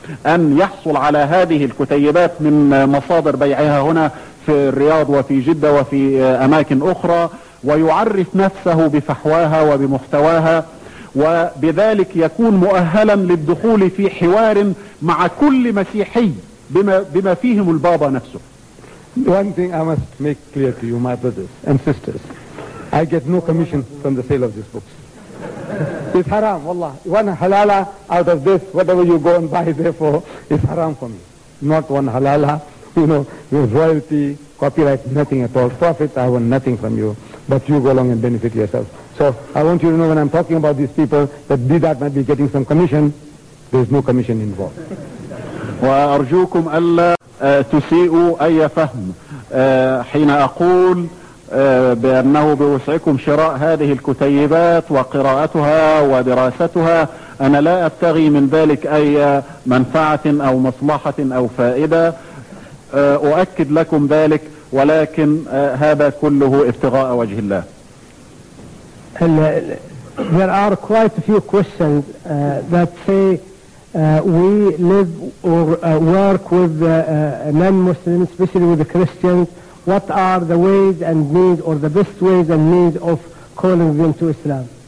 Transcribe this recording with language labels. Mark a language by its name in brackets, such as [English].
[Arabic] أن يحصل على هذه الكتيبات من مصادر بيعها هنا في الرياض وفي جدة وفي أماكن أخرى، ويعرف نفسه بفحواها وبمحتواها، وبذلك يكون مؤهلا للدخول في حوار مع كل مسيحي بما فيهم البابا نفسه. [English] One thing I must make clear to you, my brothers and sisters, I get no commission from the sale of these books. It's haram, wallah. One halala out of this, whatever you go and buy, therefore, is haram for me. Not one halala, you know, royalty, copyright, nothing at all. Profit, I want nothing from you. But you go along and benefit yourself. So I want you to know when I'm talking about these people that be that might be getting some commission, there's no commission involved. [Arabic] وأرجوكم ألا تسيئوا أي فهم حين أقول بأنه بوسعكم شراء هذه الكتيبات وقراءتها ودراستها. أنا لا أبتغي من ذلك أي منفعة أو مصلحة أو فائدة، أؤكد لكم ذلك، ولكن هذا كله ابتغاء وجه الله. [English] There are quite a few questions that say we live or work with non-Muslims, especially with the Christians. What are the ways and means, or the best ways and means of calling them to Islam?